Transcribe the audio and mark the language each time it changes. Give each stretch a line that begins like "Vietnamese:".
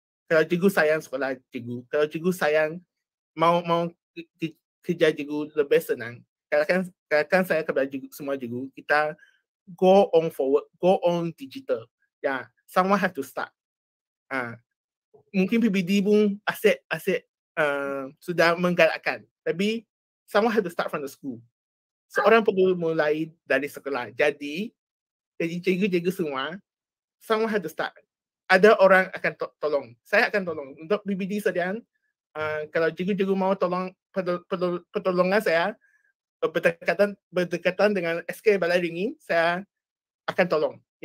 Malay: Kalau cikgu sayang sekolah cikgu, kalau cikgu sayang mau kerja cikgu lebih senang, Kalahkan saya kepada semua cikgu, kita
English: go on forward, go on digital. Someone have to start.
Malay: Mungkin PBD pun asyik sudah menggalakkan.
English: Tapi someone have to start from the school.
Malay: Seorang perlu mulai dari sekolah. Jadi cikgu-cikgu semua,
English: someone have to start.
Malay: Ada orang akan tolong. Saya akan tolong. Untuk PBD sedang, kalau cikgu-cikgu mau tolong pertolongan saya, berdekatan dengan SK Balai Ringin, saya akan tolong.